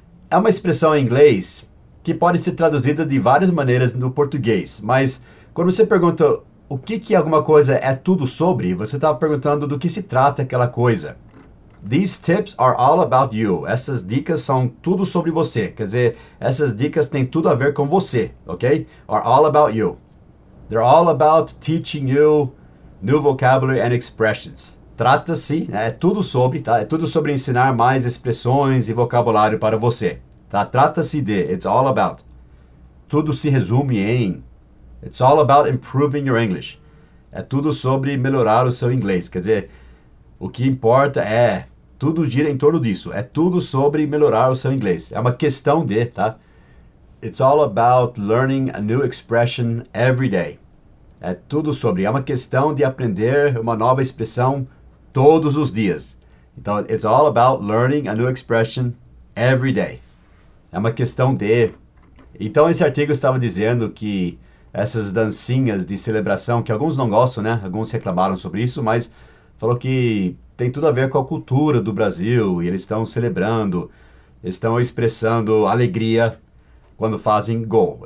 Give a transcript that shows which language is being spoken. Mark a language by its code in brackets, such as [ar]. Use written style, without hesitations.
[pt] É uma expressão em inglês que pode ser traduzida de várias maneiras no português. Mas quando você pergunta o que, que alguma coisa é tudo sobre, você está perguntando do que se trata aquela coisa. [en] These tips are all about you. [pt] Essas dicas são tudo sobre você. Quer dizer, essas dicas têm tudo a ver com você, ok? [en] Are all about you. They're all about teaching you new vocabulary and expressions. [pt] Trata-se, é tudo sobre, tá? É tudo sobre ensinar mais expressões e vocabulário para você. Tá? Trata-se de, [en] it's all about. [pt] Tudo se resume em, [en] it's all about improving your English. [pt] É tudo sobre melhorar o seu inglês, quer dizer, o que importa é, tudo gira em torno disso, é tudo sobre melhorar o seu inglês. É uma questão de, tá? [en] It's all about learning a new expression every day. [pt] É tudo sobre, é uma questão de aprender uma nova expressão todos os dias. Então, it's all about learning a new expression every day. É uma questão de. Então, esse artigo estava dizendo que essas dancinhas de celebração, que alguns não gostam, né? Alguns reclamaram sobre isso, mas falou que tem tudo a ver com a cultura do Brasil e eles estão celebrando, estão expressando alegria quando fazem gol.